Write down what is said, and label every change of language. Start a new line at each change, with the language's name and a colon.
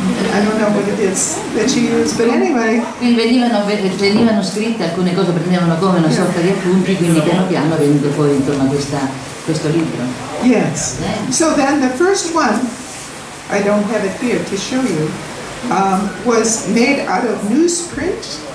English: I don't know what it is that you use, but anyway.
Italian: Quindi venivano scritte alcune cose, prendevano come una sorta di appunti, quindi piano piano venuto fuori intorno a questo libro.
English: Yes. So then the first one, I don't have it here to show you, was made out of newsprint.